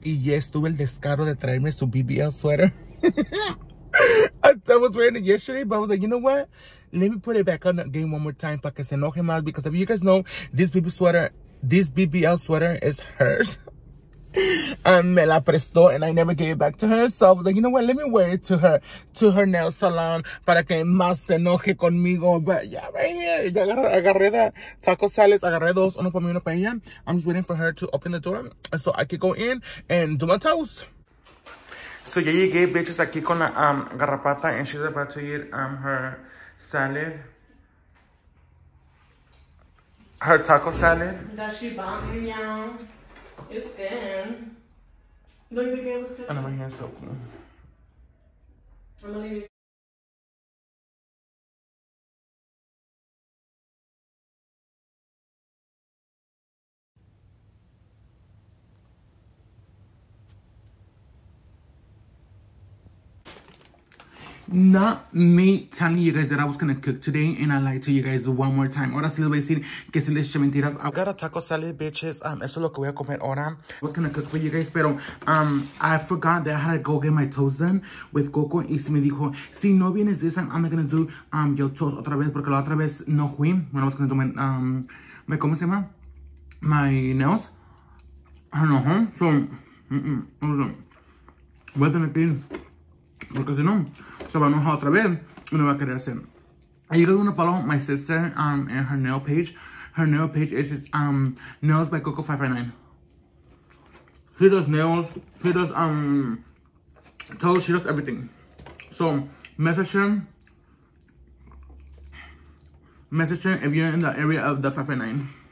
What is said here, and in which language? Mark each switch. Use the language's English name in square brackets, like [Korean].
[Spanish] Y yes, tuve el descaro de traerme su BBL sweater. [English] I was wearing it yesterday, but I was like, you know what? Let me put it back on again one more time [Spanish] para que se enoje más. [English] Because if you guys know, this BBL sweater is hers. [Spanish] Me la prestó [English] and I never gave it back to her. So I was like, you know what? Let me wear it to her nail salon [Spanish] para que más se enoje conmigo. [English] But yeah, right here. [Spanish] Ya agarré de taco salads. Agarré dos. Uno para mí, uno para ella. [English] I'm just waiting for her to open the door so I can go in and do my toes. [Spanish] So ya llegué, bitches, aquí con la garrapata. [English] And she's about to eat her salad. Her taco salad. That she bought me, y'all. It's thin. No, you think it was good? I know my hands are open. I'm gonna leave. Not me telling you guys that I was gonna cook today, and I lied to you guys one more time. [Spanish] Ahora sí les voy a decir que si les eché mentiras. [English] I got a taco salad, bitches. [Spanish] Eso es lo que voy a comer ahora. [English] I was gonna cook for you guys, pero I forgot that I had to go get my toes done with Coco. [Spanish] Y se me dijo, si no vienes [English] this time, I'm not gonna do your toes [Spanish] otra vez, porque la otra vez no fui. [English] When I was gonna do [Spanish] ¿cómo se llama? [English] My nails. I don't know, huh? [Spanish] So, voy a tener que ir, porque si no, se va a enojar otra vez y no va a querer hacer. [English] Are you guys gonna follow my sister and her nail page? Her nail page is just, Nails by Coco 559. She does nails, she does toes, she does everything. So message her if you're in the area of the 559.